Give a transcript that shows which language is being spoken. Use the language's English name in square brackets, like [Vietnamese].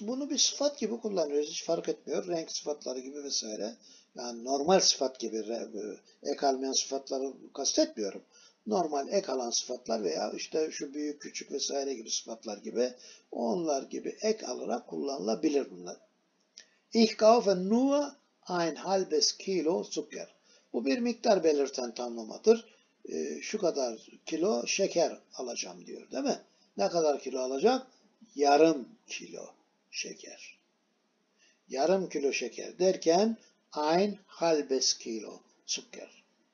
[Turkish] Bunu bir sıfat gibi kullanıyoruz. Hiç fark etmiyor. Renk sıfatları gibi vesaire. Yani normal sıfat gibi ek almayan sıfatları kastetmiyorum. Normal ek alan sıfatlar veya işte şu büyük küçük vesaire gibi sıfatlar gibi onlar gibi ek alarak kullanılabilir bunlar. [German] Ich kaufe nur ein halbes Kilo Zucker. [Turkish] Bu bir miktar belirten tamlamadır. Şu kadar kilo şeker alacağım diyor değil mi? Ne kadar kilo alacak? Yarım kilo şeker. Yarım kilo şeker derken [German] ein halbes Kilo Zucker.